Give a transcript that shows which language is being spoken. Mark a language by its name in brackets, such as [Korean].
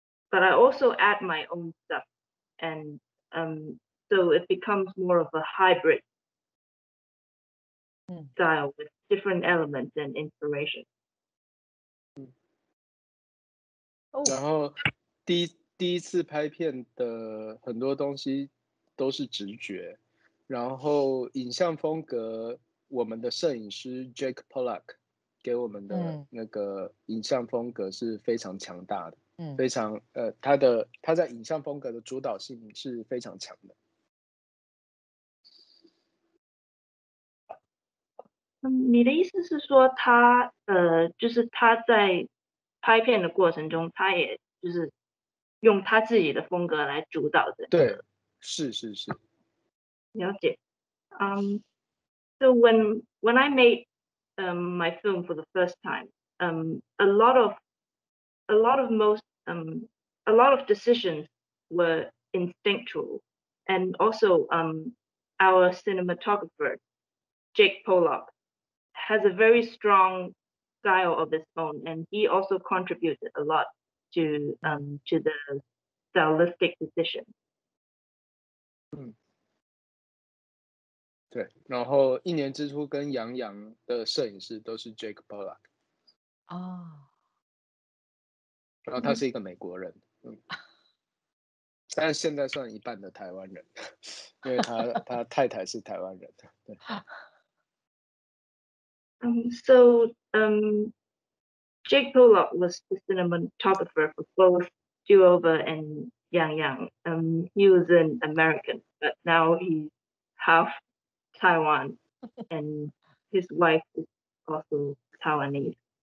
[English] But I also add my own stuff and so it becomes more of a hybrid style with different elements and inspiration. [Chinese] 然后第一次拍片的很多东西都是直觉，然后影像风格我们的摄影师 Jake Pollock 给我们的那个影像风格是非常强大的，非常他在影像风格的主导性是非常强的。你的意思是说他就是他在拍片的过程中他也就是用他自己的风格来主导的。对，是。了解。 [English] So when I made my film for the first time, a lot of decisions were instinctual, and also our cinematographer Jake Pollock has a very strong style of his own, and he also contributed a lot to the stylistic decision. [Chinese] 对，然后一年之初跟杨洋的摄影师都是 Jake Pollock。然后他是一个美国人，但现在算一半的台湾人，因为他太太是台湾人。 [English] So Jake Pollock was the cinematographer for both Do Over and Yang Yang. He was an American, but now he's half Taiwan, and his wife is also Taiwanese.